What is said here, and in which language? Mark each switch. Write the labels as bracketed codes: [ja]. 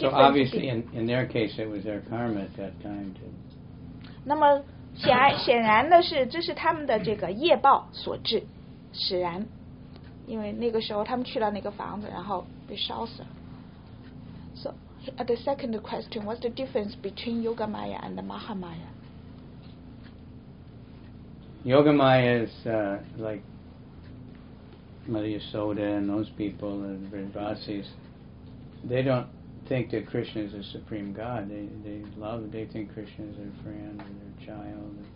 [en] So, obviously, in their case, it was their karma at that time, too. [zh] 那么显然的是，这是他们的这个业报所致，使然。因为那个时候他们去了那个房子，然后被烧死了。 [en] So, the second question, what's the difference between Yogamaya and the Mahamaya? Yogamaya is like Mother Yasoda and those people and Vrindavasis. They don't think that Krishna is a supreme God. They think Krishna is their friend or their child.